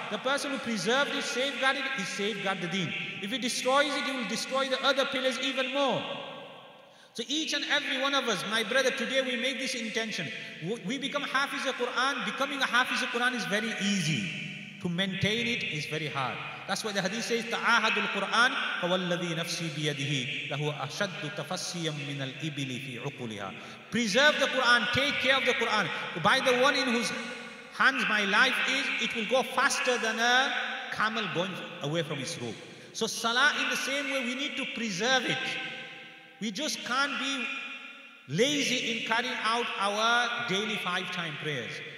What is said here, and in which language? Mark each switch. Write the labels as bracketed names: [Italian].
[English] The person who preserved it, safeguarded it, he safeguarded the deen. If he destroys it, he will destroy the other pillars even more. So each and every one of us, my brother, today we make this intention. We become Hafiz of Qur'an. Becoming a Hafiz of Qur'an is very easy. To maintain it is very hard. That's why the hadith says, [Arabic] تَعَاهَدُ الْقُرْآنِ فَوَالَّذِي نَفْسِي بِيَدِهِ لَهُ أَشَدُّ تَفَسِّيًا مِنَ الْإِبِلِ فِي عُقُلِهَا. [English] Preserve the Qur'an, take care of the Qur'an. By the one in whose hands my life is, it will go faster than a camel going away from his rope. So salah, in the same way, we need to preserve it. We just can't be lazy in carrying out our daily five-time prayers.